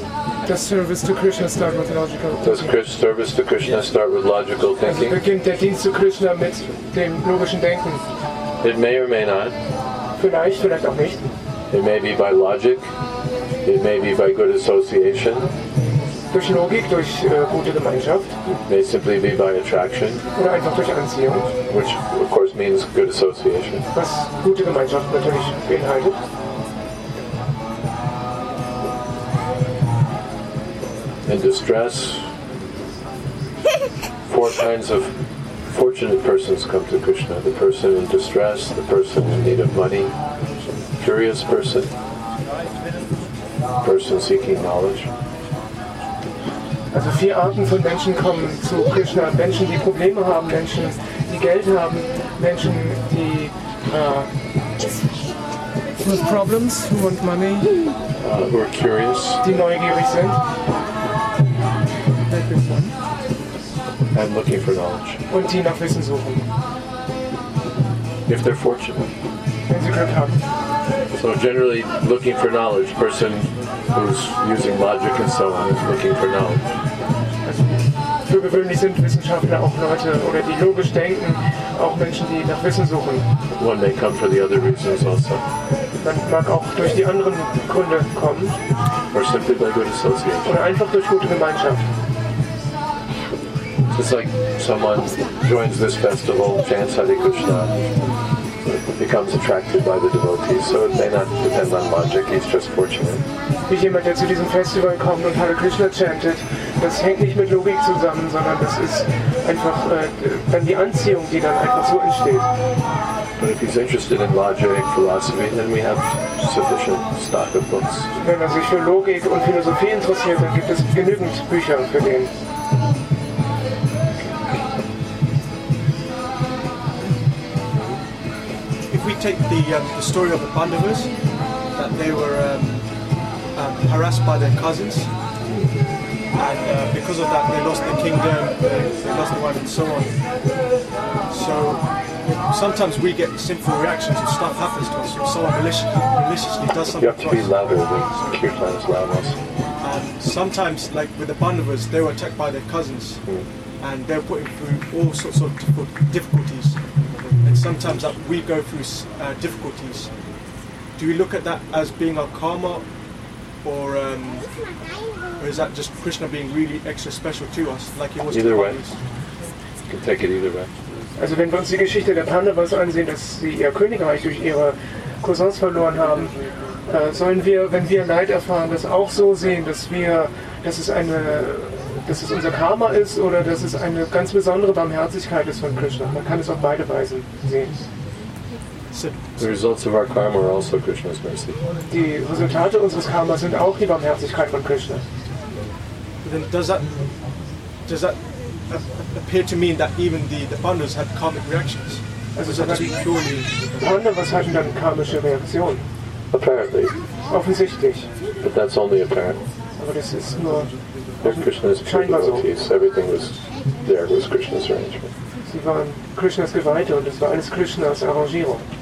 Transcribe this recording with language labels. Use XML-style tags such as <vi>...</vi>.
<en>Does service to Krishna start with logical thinking? Does service to Krishna start with logical thinking?</en> <de>Also beginnt der Dienst zu Krishna mit dem logischen Denken?</de> <en>It may or may not.</en> <de>Vielleicht, vielleicht auch nicht.</de> <en>It may be by logic. It may be by good association.</en> <de>Durch Logik, durch gute Gemeinschaft.</de> <en>It may simply be by attraction.</en> <de>Oder einfach durch Anziehung.</de> <en>Which, of course, means good association.</en> <de>Was gute Gemeinschaft natürlich beinhaltet.</de> <en>In distress, four kinds of fortunate persons come to Krishna. The person in distress, the person in need of money, curious person, person seeking knowledge.</en> <de>Also vier Arten von Menschen kommen zu Krishna. Menschen, die Probleme haben, Menschen, die Geld haben, Menschen, die</de> <en>with problems, who want money, who are curious,</en> <de>die neugierig sind.</de> <en>And looking for knowledge.</en> <de>Und die nach Wissen suchen.</de> <en>If they're fortunate.</en> <de>Wenn sie Glück haben.</de> <en>So generally looking for knowledge, person who's using logic and so on is looking for knowledge.</en> <de>Für gewöhnlich sind Wissenschaftler auch Leute, oder die logisch denken, auch Menschen, die nach Wissen suchen.</de> <en>One may come for the other reasons also.</en> <de>Man mag auch durch die anderen Gründe kommen.</de> <en>Or simply by good association.</en> <de>Oder einfach durch gute Gemeinschaft.</de> <en>It's like someone joins this festival, chants Hare Krishna, becomes attracted by the devotees, so it may not depend on logic, he's just fortunate.</en> <de>Wie jemand, der zu diesem Festival kommt und Hare Krishna chantet, das hängt nicht mit Logik zusammen, sondern das ist einfach dann die Anziehung, die dann einfach so entsteht.</de> <en>But if he's interested in logic, philosophy, then we have sufficient stock of books.</en> <de>Wenn er sich für Logik und Philosophie interessiert, dann gibt es genügend Bücher für den.</de> <en>Take the story of the Pandavas, that they were harassed by their cousins, and because of that they lost the kingdom, they lost the wife and so on. So sometimes we get sinful reactions and stuff happens to us, so someone maliciously does something to us. You have to be louder than Kirtan's loudness. And sometimes, like with the Pandavas, they were attacked by their cousins, and they're putting through all sorts of difficulties. Sometimes that we go through difficulties. Do we look at that as being our karma, or is that just Krishna being really extra special to us, like he was? Either way, can take it either way.</en> <de>Also, wenn wir uns die Geschichte der Pandavas ansehen, dass sie ihr Königreich durch ihre Cousins verloren haben, sollen wir, wenn wir Leid erfahren, das auch so sehen, dass es unser Karma ist, oder dass es eine ganz besondere Barmherzigkeit ist von Krishna? Man kann es auf beide Weisen sehen.</de> <en>The results of our karma are also Krishna's mercy.</en> <de>Die Resultate unseres Karmas sind auch die Barmherzigkeit von Krishna.</de> <en>Then does that appear to mean that even the Pandavas had karmic reactions?</en> <de>Also sagen Sie, die Pandavas hatten dann karmische Reaktionen?</de> <en>Apparently.</en> <de>Offensichtlich.</de> <en>But that's only apparent.</en> <de>Aber das ist nur.</de> <en>They're Krishna's devotees. Everything was there. Was Krishna's arrangement.</en> <de>Sie waren Krishna's Geweihte, und es war alles Krishna's Arrangierung.</de>